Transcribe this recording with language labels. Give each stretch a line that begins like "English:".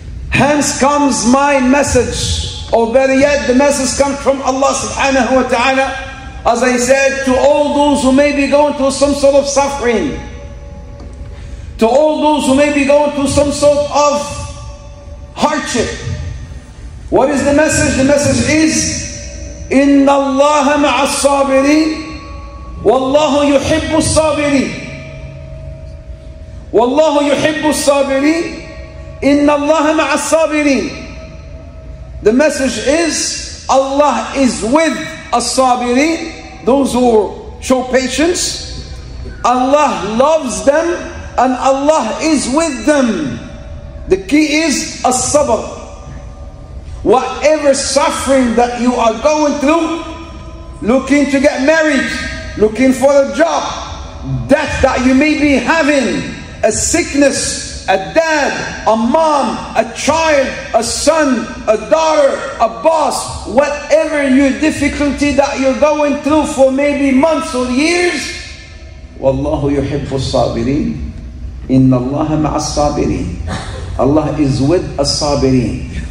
English: Hence comes my message. Or better yet, the message comes from Allah subhanahu wa ta'ala. As I said, to all those who may be going through some sort of suffering, to all those who may be going through some sort of hardship, what is the message? The message is,
Arabic: إِنَّ اللَّهَ مَعَ الصَّابِرِينَ
English: وَاللَّهُ يُحِبُّ الصَّابِرِينَ وَاللَّهُ يُحِبُّ الصَّابِرِينَ إِنَّ اللَّهَ مَعَ الصَّابِرِينَ The message is, Allah is with الصابرين, those who show patience. Allah loves them and Allah is with them. The key is as-sabr. Whatever suffering that you are going through, looking to get married, looking for a job, death that you may be having, a sickness, a dad, a mom, a child, a son, a daughter, a boss, whatever your difficulty that you're going through for maybe months or years,
Arabic: وَاللَّهُ يُحِبُّ الصَّابِرِينَ إِنَّ اللَّهَ مَعَ الصَّابِرِينَ
English: Allah is with الصَّابِرِينَ.